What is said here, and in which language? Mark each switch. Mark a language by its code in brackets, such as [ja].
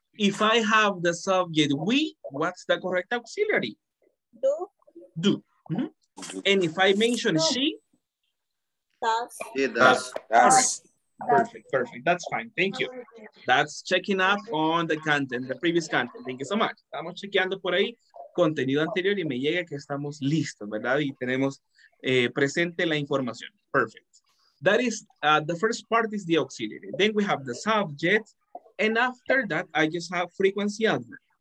[en] If I have the subject we, what's the correct auxiliary? Do. Mm-hmm. And if I mention she? She does. Perfect. That's fine. Thank you. That's checking up on the content, the previous content. Thank you so much. [es] Estamos chequeando por ahí contenido anterior y me llega que estamos listos, ¿verdad? Y tenemos presente la información. Perfect. [en] That is, the first part is the auxiliary. Then we have the subject. And after that, I just have frequency adverb.